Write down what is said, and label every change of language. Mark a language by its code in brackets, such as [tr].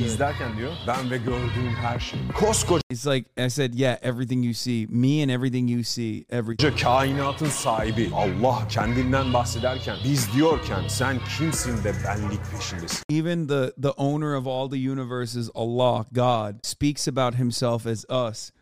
[tr] İzlerken diyor, ben ve gördüğüm her şey. Koskoca. [en] He's like, I said, yeah, everything you see. Me and everything you see. Everything. [tr] Kainatın sahibi. Allah kendinden bahsederken, biz diyorken, sen kimsin de benlik peşindesin. [en] Even the owner of all the universes, Allah, God, speaks about himself as us.